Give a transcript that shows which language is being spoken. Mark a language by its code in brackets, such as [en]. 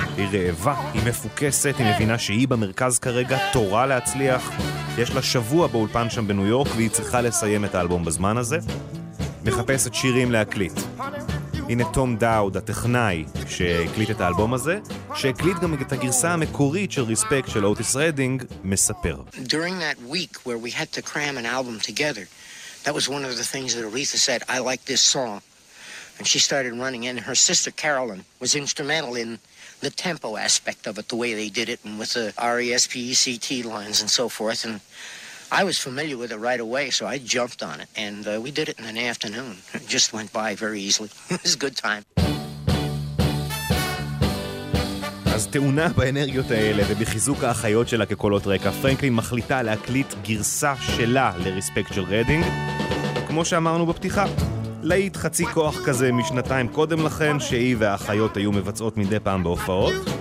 [he] היא רעבה, היא מפוקסת, היא מבינה שהיא במרכז כרגע, תורה להצליח. יש לה שבוע באולפן שם בניו יורק, והיא צריכה לסיים את האלבום בזמן הזה. מחפשת שירים להקליט. הנה תום דאוד, הטכנאי, שהקליט את האלבום הזה, שהקליט גם את הגרסה המקורית של ריספקט של אוטיס רדינג, מספר. [en] During that week where we had to cram an album together, that was one of the things that Aretha said, I like this song. And she started running, and her sister Carolyn was instrumental in the tempo aspect of it, the way they did it, and with the R-E-S-P-E-C-T lines and so forth. And I was familiar with it right away, so I jumped on it. And we did it in an afternoon. It just went by very easily. It was a good time. [he] אז תאונה באנרגיות האלה ובחיזוק האחיות שלה כקולות רקע, פרנקלין מחליטה להקליט גרסה שלה לרספקט של רדינג. כמו שאמרנו בפתיחה, להיט חצי כוח כזה משנתיים קודם לכן, שהיא והאחיות היו מבצעות מדי פעם בהופעות.